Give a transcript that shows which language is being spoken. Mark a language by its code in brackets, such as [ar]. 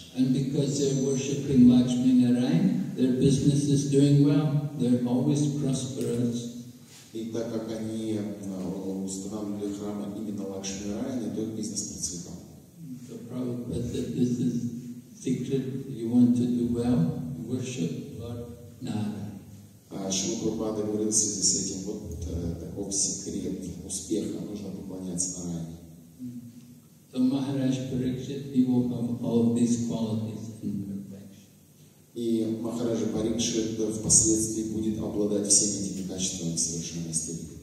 [en] And because they're worshipping Lakshmi Narayana, their business is doing well. They're always prosperous. [ru] И так как они устанавливали храмы именно Лакшми Нарайана, то их бизнес процветал. [en] So Prabhupada said, this is secret. You want to do well, worship Lord Narayana. [ru] Шрила Прабхупада говорил связи с этим, вот таков секрет успеха, нужно поклоняться Нарайане. [en] So Maharaj Parikshit, he will have all of these qualities in perfection. [ru] И Махарадж Парикшит впоследствии будет обладать всеми этими качествами совершенности.